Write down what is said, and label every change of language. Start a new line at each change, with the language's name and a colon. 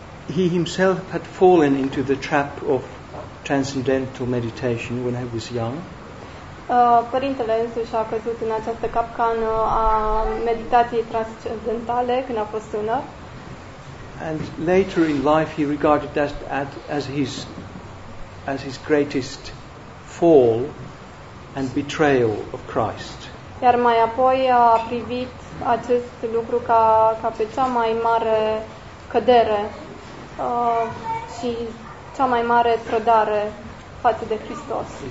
English: He himself had fallen into the trap of transcendental meditation when he was young.
Romanian: Părintele însuși a căzut în această capcană a meditației transcendentale când a fost tânăr.
English: And later in life he regarded that as his greatest fall and betrayal of Christ.
Romanian: Iar mai apoi a privit acest lucru ca pe cea mai mare cădere. Și cea mai mare trădare față de Hristos.